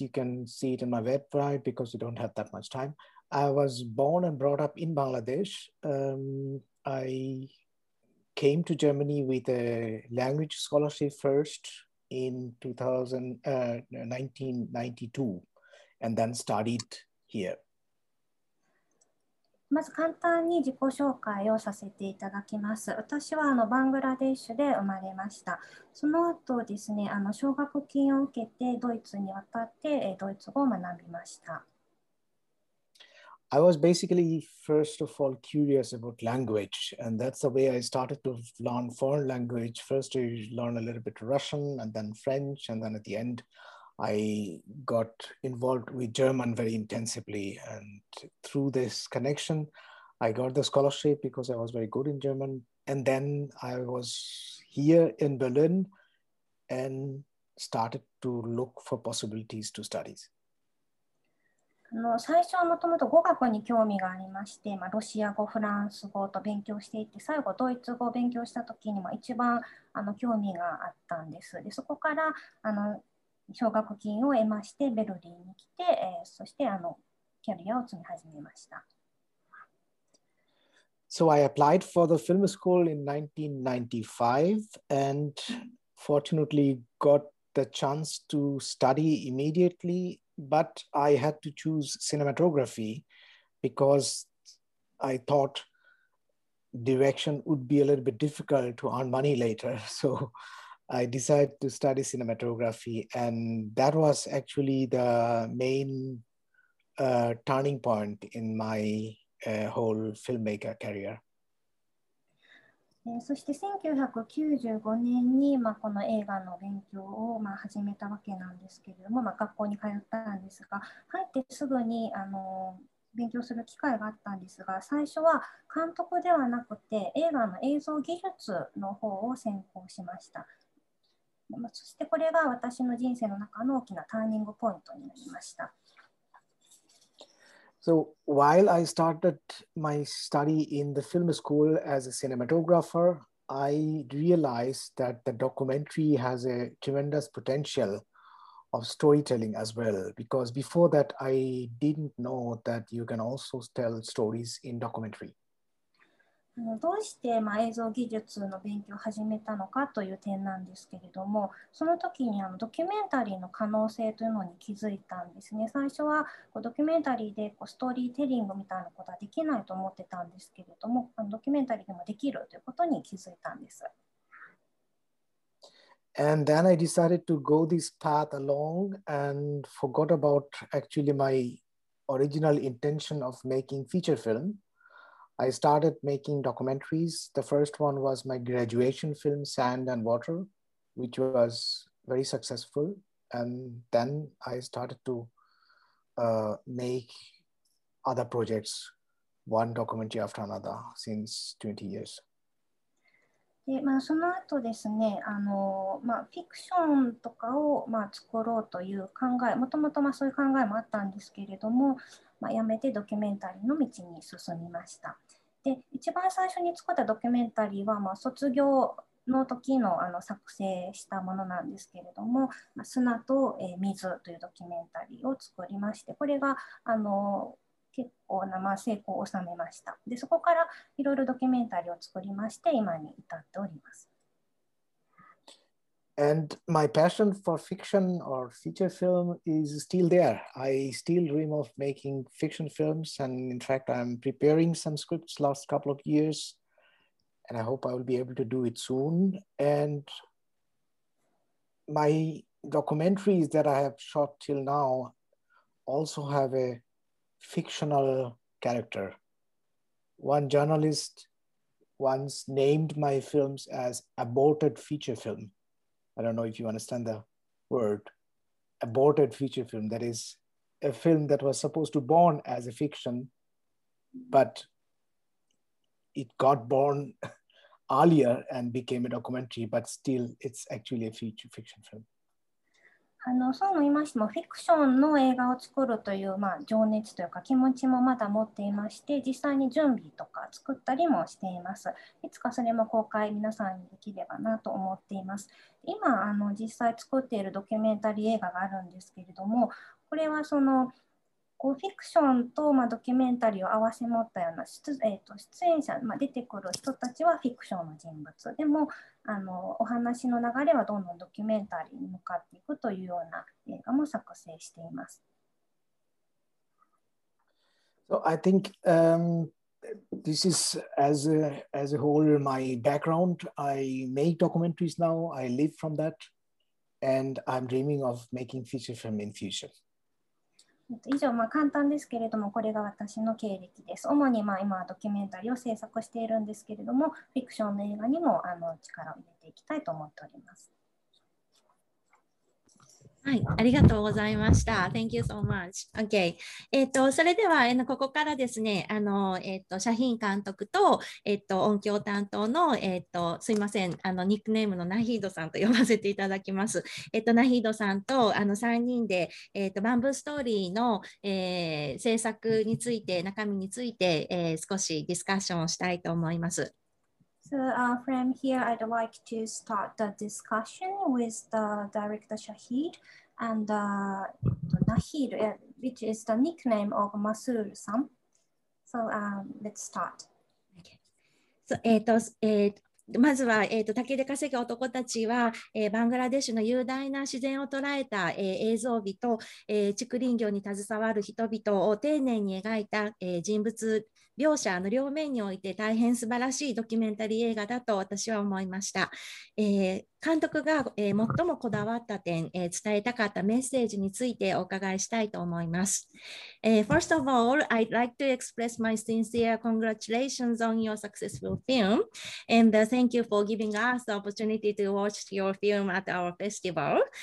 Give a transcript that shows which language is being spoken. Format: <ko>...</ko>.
<en>You can see it in my website because you don't have that much time. I was born and brought up in Bangladesh. I came to Germany with a language scholarship first in 1992 and then studied here.</en> <ja>まず簡単に自己紹介をさせていただきます。私はバングラデシュで生まれました。その後ですね、奨学金を受けてドイツに渡ってドイツ語を学びました。</ja> <en>I was basically first of all curious about language, and that's the way I started to learn foreign language. First I learned a little bit Russian and then French, and then at the endI got involved with German very intensively, and through this connection, I got the scholarship because I was very good in German. And then I was here in Berlin and started to look for possibilities to study.</en> <ja>最初はもともと語学に興味がありまして、ロシア語、フランス語と勉強していて、最後ドイツ語を勉強した時にも一番興味があったんです。で、そこから奨学金を得まして、ベルリンに来て、そしてキャリアを積み始めました。</ja> <en>So I applied for the film school in 1995 and fortunately got the chance to study immediately, but I had to choose cinematography because I thought direction would be a little bit difficult to earn money later. So,I decided to study cinematography, and that was actually the main turning point in my whole filmmaker career.</en> <ja>そして1995年に、この映画の勉強を、始めたわけなんですけれども、学校に通ったんですが、入ってすぐに勉強する機会があったんですが、最初は監督ではなくて映画の映像技術の方を専攻しました。そしてこれが私の人生の中の大きなターニングポイントになりました。</ja> <en>So while I started my study in the film school as a cinematographer, I realized that the documentary has a tremendous potential of storytelling as well. Because before that, I didn't know that you can also tell stories in documentary.</en> <ja>どうして映像技術の勉強を始めたのかという点なんですけれども、その時にドキュメンタリーの可能性というのに気づいたんですね。最初はドキュメンタリーでストーリーテリングみたいなことはできないと思ってたんですけれども、ドキュメンタリーでもできるということに気づいたんです。</ja> <en>And then I decided to go this path along and forgot about actually my original intention of making feature film. I started making documentaries. The first one was my graduation film, Sand and Water, which was very successful. And then I started to make other projects, one documentary after another, since 20 years.</en> <ja>で、まあ、その後ですね、まあ、フィクションとかを、まあ、作ろうという考え、もともとそういう考えもあったんですけれども、まあ、やめてドキュメンタリーの道に進みました。で、一番最初に作ったドキュメンタリーは、まあ、卒業の時の、作成したものなんですけれども、まあ、砂と、水というドキュメンタリーを作りまして、これが、結構な、まあ、成功を収めました。で、そこからいろいろドキュメンタリーを作りまして、今に至っております。</ja> <en>And my passion for fiction or feature film is still there. I still dream of making fiction films, and in fact, I'm preparing some scripts last couple of years, and I hope I will be able to do it soon. And my documentaries that I have shot till now also have a fictional character. One journalist once named my films as aborted feature film. I don't know if you understand the word, aborted feature film. That is a film that was supposed to born as a fiction, but it got born earlier and became a documentary, but still it's actually a feature fiction film.</en> <ja>そうも言いましても、フィクションの映画を作るという、まあ、情熱というか気持ちもまだ持っていまして、実際に準備とか作ったりもしています。いつかそれも公開皆さんにできればなと思っています。今、実際作っているドキュメンタリー映画があるんですけれども、これはそのこうフィクションと、まあ、ドキュメンタリーを合わせ持ったような 出演者、まあ、出てくる人たちはフィクションの人物でも、お話の流れはどんどんドキュメンタリーに向かっていくというような映画も作成しています。</ja> <en>So I think, this is as a whole my background. I make documentaries now, I live from that, and I'm dreaming of making feature film in future.</en> <ja>以上、まあ、簡単ですけれども、これが私の経歴です。主に、まあ、今はドキュメンタリーを制作しているんですけれども、フィクションの映画にも力を入れていきたいと思っております。はい、ありがとうございました。</ja> <en>Thank you so much. Okay.</en> <ja>それでは、ここからですね、シャヒン監督と、音響担当の、すいません、ニックネームのナヒードさんと呼ばせていただきます。ナヒードさんと、3人で、バンブーストーリーの、制作について、中身について、少しディスカッションをしたいと思います。</ja> <en>So, from here, I'd like to start the discussion with the director Shahid and Nahid, which is the nickname of Masur-san. So, let's start. Okay.</en> <ja>まずは、竹で稼ぐ男たちは、バングラデシュの雄大な自然を捉えた、映像美と、竹林業に携わる人々を丁寧に描いた、人物描写の両面において大変素晴らしいドキュメンタリー映画だと私は思いました。監督が、最もこだわった点、伝えたかったメッセージについてお伺いしたいと思います。</ja> <en>First of all, I'd like to express my sincere congratulations on your successful film and thank you for giving us the opportunity to watch your film at our festival.</en>